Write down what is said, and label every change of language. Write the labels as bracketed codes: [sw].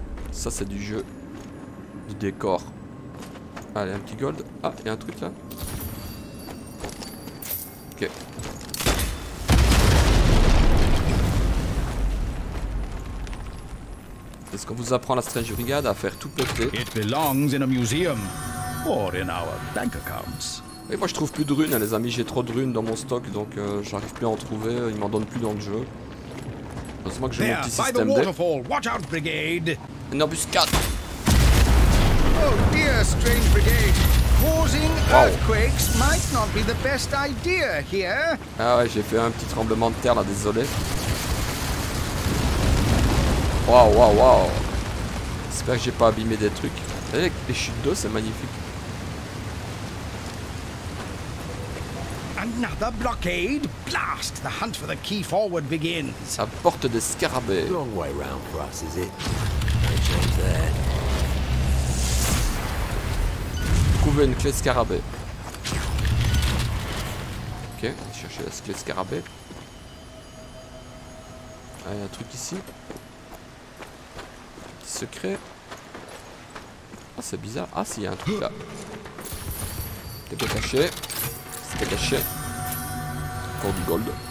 [fr] Ça c'est du jeu. Du décor. Allez, un petit gold. Ah, il y a un truc là. Ok. Est-ce qu'on vous apprend la Strange Brigade à faire tout péter? [en] It belongs in a museum or in our bank accounts. [fr] Et moi je trouve plus de runes, hein, les amis, j'ai trop de runes dans mon stock, donc j'arrive plus à en trouver, ils m'en donnent plus dans le jeu. Heureusement que j'ai mon petit système [en] D. Watch out, brigade. [fr] Une embuscade. [en] Oh dear, strange brigade. Causing earthquakes might not be the best idea here. [fr] Ah ouais, j'ai fait un petit tremblement de terre là, désolé. Waouh. J'espère que j'ai pas abîmé des trucs. Avec les chutes d'eau, c'est magnifique. [en] Another blockade! Blast! The hunt for the key forward begins. [fr] La porte des scarabées. [en] Long way round for us, is it? No change there. [fr] Trouver une clé scarabée. Ok, chercher la clé scarabée. Ah, il y a un truc ici. Petit secret. Ah, c'est bizarre. Ah, si, il y a un truc là. C'était pas caché. C'était caché. Encore du gold.